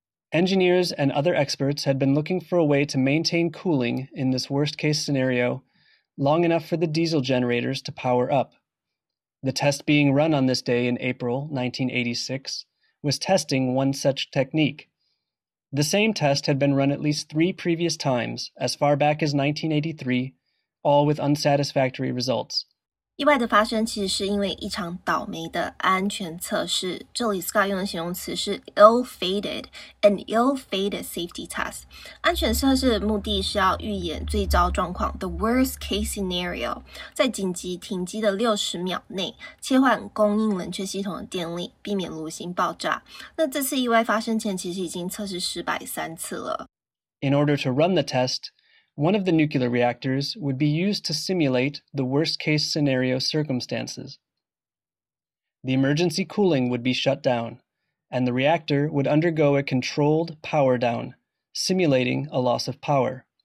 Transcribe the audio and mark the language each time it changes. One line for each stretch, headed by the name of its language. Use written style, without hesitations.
English: Engineers and other experts had been looking for a way to maintain cooling in this worst-case scenario long enough for the diesel generators to power up. The test being run on this day in April 1986 was testing one such technique. The same test had been run at least three previous times, as far back as 1983, all with unsatisfactory results.
Chinese: 意外的发生其实是因为一场倒霉的安全测试。这里 Scott 用的形容词是 ill-fated，
English: an ill-fated safety test。
Chinese: 安全测试的目的是要预演最糟状况 ，
English: the worst case scenario。
Chinese: 在紧急停机的60秒内，切换供应冷却系统的电力，避免炉芯爆炸。那这次意外发生前，其实已经测试失败三次了。
English: In order to run the test. One of the nuclear reactors would be used to simulate the worst-case scenario circumstances. The emergency cooling would be shut down, and the reactor would undergo a controlled power down, simulating a loss of power.